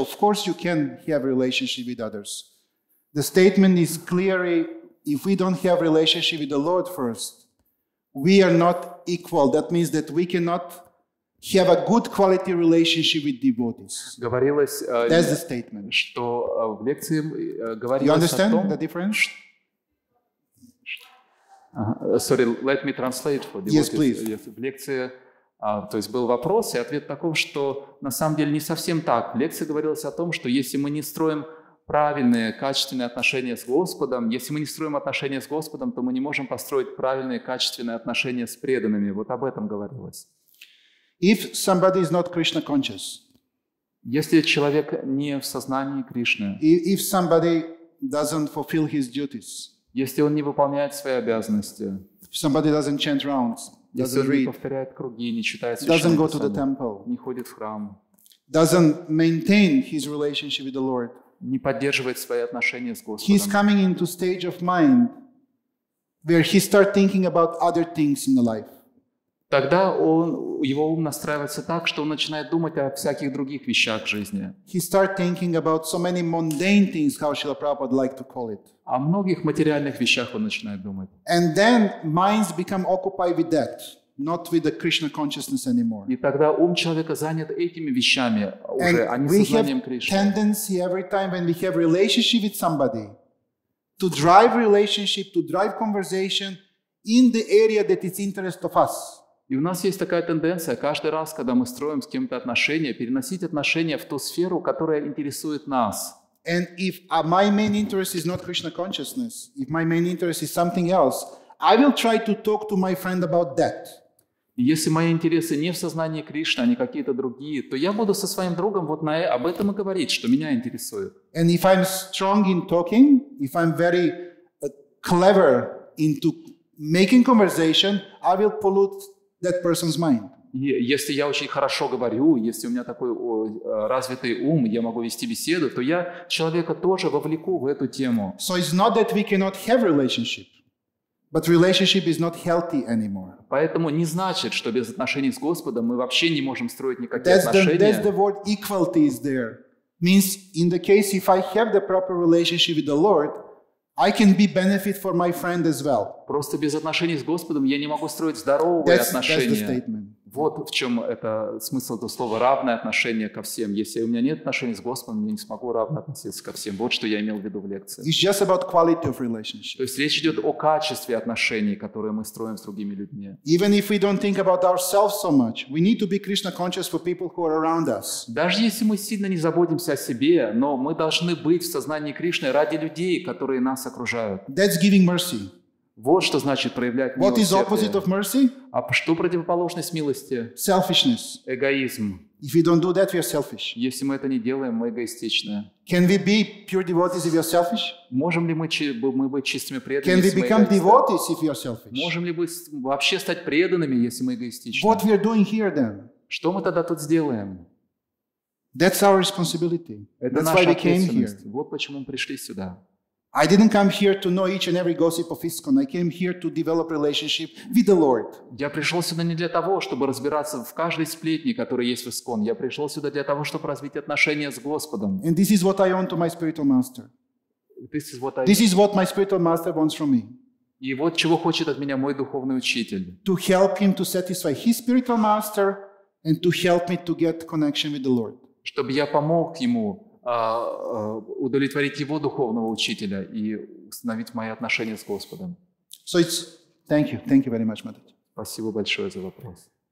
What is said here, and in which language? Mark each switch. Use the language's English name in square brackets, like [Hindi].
[English] Of course, you can have relationship with others. The statement is clearly, if we don't have relationship with the Lord first, we are not equal. That means that we cannot have a good quality relationship with devotees. [Russian] Говорилось, [English] that's the statement. [Russian] Что в лекции говорилось. [English] You understand the difference? Sorry, let me translate for devotees. Yes, please. [Russian] Yes, в лекции, то есть был вопрос и ответ таков, что на самом деле не совсем так. В лекции говорилось о том, что если мы не строим правильные, качественные отношения с Господом, если мы не строим отношения с Господом, то мы не можем построить правильные, качественные отношения с преданными. Вот об этом говорилось. [English] If somebody is not Krishna conscious, [Russian] если человек не в сознании Кришны, [English] if somebody doesn't fulfill his duties, [Russian] если он не выполняет свои обязанности, [English] somebody doesn't chant rounds, [Russian] если он [English] read, [Russian] не повторяет круги, не читает священные писания, не ходит в храм, [English] doesn't maintain his relationship with the Lord, [Russian] не поддерживает свои отношения с Господом, [English] he's coming into stage of mind where he start thinking about other things in the life. [Russian] Тогда его ум настраивается так, что он начинает думать о всяких других вещах в жизни. [English] He start thinking about so many mundane things, how Srila Prabhupada like to call it. [Russian] О многих материальных вещах он начинает думать. [English] And then minds become occupied with that, not with the Krishna consciousness anymore. [Russian] И тогда ум человека занят этими вещами уже, and а не сознанием Кришны. [English] And we have tendency every time when we have relationship with somebody to drive relationship, to drive conversation in the area that is interest of us. [Russian] И у нас есть такая тенденция, каждый раз, когда мы строим с кем-то отношения, переносить отношения в ту сферу, которая интересует нас. [English] And if my main interest is not Krishna consciousness, if my main interest is something else, I will try to talk to my friend about that. [Russian] Если мои интересы не в сознании Кришны, а не какие-то другие, то я буду со своим другом вот об этом и говорить, что меня интересует. [English] And if I'm strong in talking, if I'm very clever into making conversation, I will pollute that person's mind. [Russian] Если я очень хорошо говорю, если у меня такой развитый ум, я могу вести беседу, то я человека тоже вовлеку в эту тему. [English] So it's not that we cannot have relationship, but relationship is not healthy anymore. [Russian] Поэтому не значит, что без отношений с Господом мы вообще не можем строить никакие отношения. [English] That's the word equality is there. Means in the case if I have the proper relationship with the Lord, I can be benefit for my friend as well. [Russian] Просто без отношений с Господом я не могу строить здоровые отношения. Вот в чем это смысл этого слова равное отношение ко всем. Если у меня нет отношений с Господом, я не смогу равно относиться ко всем. Вот что я имел в виду в лекции. [English] It's just about quality of relationship. [Russian] То есть речь идет о качестве отношений, которые мы строим с другими людьми. [English] Even if we don't think about ourselves so much, we need to be Krishna conscious for people who are around us. [Russian] Даже если мы сильно не заботимся о себе, но мы должны быть в сознании Кришны ради людей, которые нас окружают. [English] That's giving mercy. [Russian] Вот что значит проявлять [English] what [Russian] милосердие. [English] Is opposite of mercy? [Russian] А что противоположность милости? [English] Selfishness. [Russian] Эгоизм. [English] If we don't do that, we are selfish. [Russian] Если мы это не делаем, мы эгоистичны. [English] Can we be pure devotees if we are selfish? [Russian] Можем ли мы быть чистыми преданными? [English] Can we become devotees if we are selfish? [Russian] Можем ли мы вообще стать преданными, если мы эгоистичны? [English] What we are doing here, then? [Russian] Что мы тогда тут сделаем? [English] That's our responsibility. [Russian] Это наша ответственность. Вот почему мы пришли сюда. [English] I didn't come here to know each and every gossip of ISKCON. I came here to develop relationship with the Lord. [Russian] Я пришел сюда не для того, чтобы разбираться в каждой сплетне, которая есть в ISKCON. Я пришел сюда для того, чтобы развить отношения с Господом. [English] And this is what I owe to my spiritual master. This is what my spiritual master wants from me. [Russian] И вот чего хочет от меня мой духовный учитель. [English] To help him to satisfy his spiritual master and to help me to get connection with the Lord. [Russian] Чтобы я помог ему удовлетворить его духовного учителя и установить мои отношения с Господом. [English] So it's thank you very much, Madhav. [Russian] Спасибо большое за вопрос.